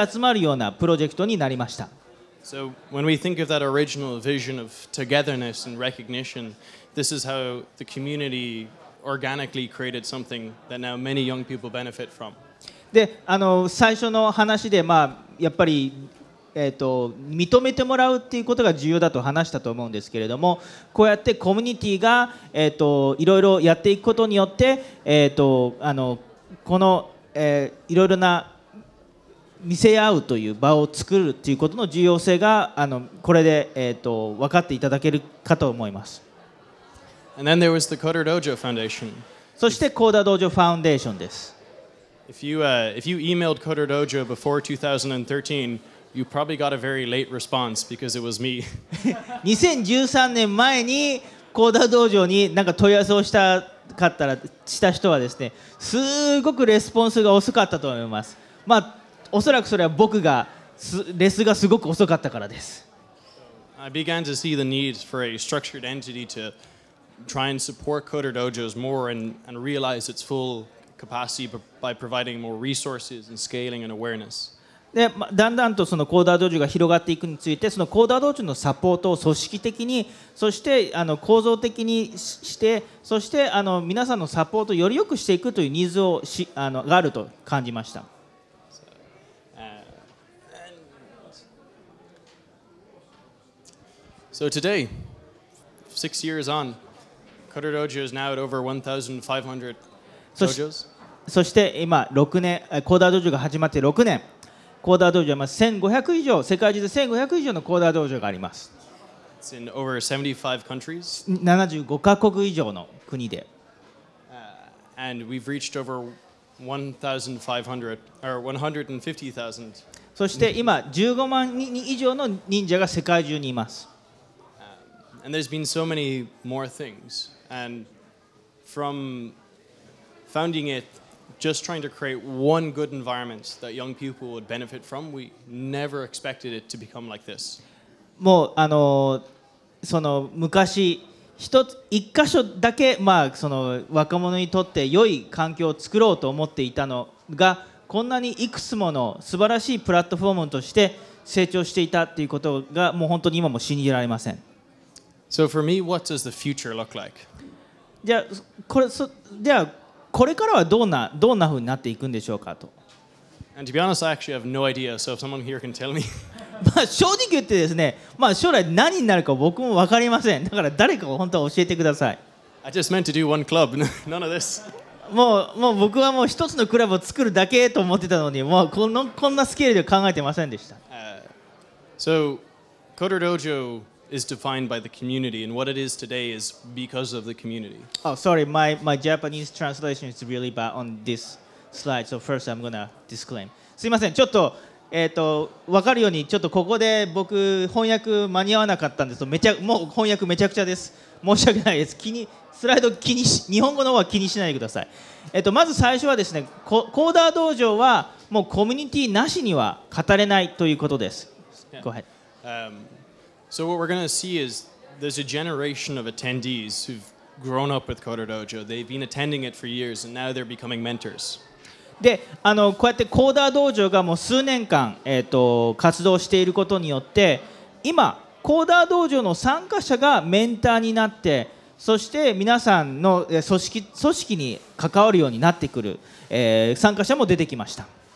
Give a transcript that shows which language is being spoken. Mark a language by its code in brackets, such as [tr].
[ja] 数日集まるようなプロジェクトになりました。 [en] So when we think of that original vision of togetherness and recognition, this is how the community organically created something that now many young people benefit from. [ja] で、最初の話で、やっぱり、認めてもらうっていうことが重要だと話したと思うんですけれども、こうやってコミュニティが、いろいろやっていくことによって、この、いろいろな見せ合うという場を作るということの重要性が、これで、分かっていただけるかと思います。 [en] And then there was the CoderDojo Foundation. [ja] そして CoderDojo Foundation です。 [en] If you emailed CoderDojo before 2013, you probably got a very late response because it was me. [ja] 2013年前に CoderDojo に何か問い合わせをしたかったらした人はですね、すごくレスポンスが遅かったと思います。まあおそらくそれは僕がレスがすごく遅かったからです。 [en] I began to see the need for a structured entity to try and support CoderDojo's more and realize its full. capacity by providing more resources and scaling and awareness. [ja] で、だんだんとそのコーダードジョが広がっていくについて、そのコーダードジョのサポートを組織的に、そして構造的にして、そして皆さんのサポートをより良くしていくというニーズをし、があると感じました。 [en] So today, 6 years on, CoderDojo is now at over 1,500. [ja] そして今6年、コーダードジョが始まって6年、コーダードジョは1500以上、世界中で1500以上のコーダードジョがあります。 [en] It's in over 75 countries. [ja] 75カ国以上の国で。 [en] And we've reached over 1,500 or 150,000. [ja] そして今15万人以上の忍者が世界中にいます。 [en] And there's been so many more things. And from founding it,just trying to create one good environment that young people would benefit from, we never expected it to become like this. [ja] もうその昔一箇所だけ、その若者にとって良い環境を作ろうと思っていたのが、こんなにいくつもの素晴らしいプラットフォームとして成長していたということが、もう本当に今も信じられません。 [en] So for me, what does the future look like? [ja] じゃあ、これ、じゃあ、これからはどんなふうになっていくんでしょうかと。 [en] And to be honest, I actually have no idea, so if someone here can tell me. [ja] 正直言ってですね、将来何になるか僕も分かりません。だから誰かを本当は教えてください。 [en] I just meant to do one club, none of this. [ja] もう僕はもう一つのクラブを作るだけと思ってたのに、もうこんなスケールでは考えてませんでした。 [en] So, CoderDojo is defined by the community, and what it is today is because of the community. Oh, sorry, my Japanese translation is really bad on this slide, so first I'm gonna disclaim. [ja] すいません、ちょっと、分かるように、ちょっとここで僕、翻訳間に合わなかったんですと、もう翻訳めちゃくちゃです。申し訳ないです。スライド気にし、日本語の方は気にしないでください。まず最初はですね、コーダー道場はもうコミュニティなしには語れないということです。 [en] Yeah. Go ahead. So what we're going to see is there's a generation of attendees who've grown up with CoderDojo. They've been attending it for years, and now they're becoming mentors. [ja] で、こうやって CoderDojo がもう数年間、活動していることによって、今 CoderDojo の参加者がメンターになって、そして皆さんの組織に関わるようになってくる、参加者も出てきました。